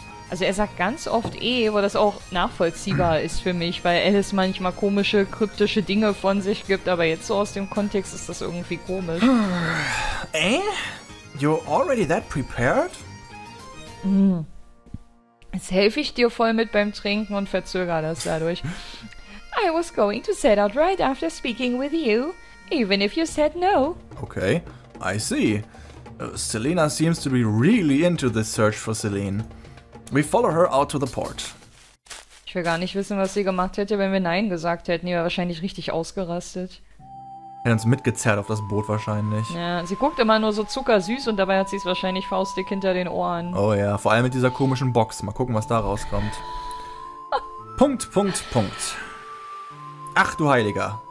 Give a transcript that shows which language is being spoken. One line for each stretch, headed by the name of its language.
German: Also er sagt ganz oft eh, wo das auch nachvollziehbar ist für mich, weil Alice manchmal komische, kryptische Dinge von sich gibt, aber jetzt so aus dem Kontext ist das irgendwie komisch.
English: You're already that prepared?
German: Jetzt helfe ich dir voll mit beim Trinken und verzögere das dadurch.
English: I was going to set out right after speaking with you, even if you said no. Okay, I see. Selena seems to be really into this search for Celine. We follow her out to the port.
German: Ich will gar nicht wissen, was sie gemacht hätte, wenn wir Nein gesagt hätten. Die wäre wahrscheinlich richtig ausgerastet. Hätte uns mitgezerrt auf das Boot wahrscheinlich. Ja, sie guckt immer nur so zuckersüß und dabei hat sie es wahrscheinlich faustdick hinter den Ohren. Oh ja, vor allem mit dieser komischen Box. Mal gucken, was da rauskommt. Punkt, Punkt, Punkt. Ach du Heiliger.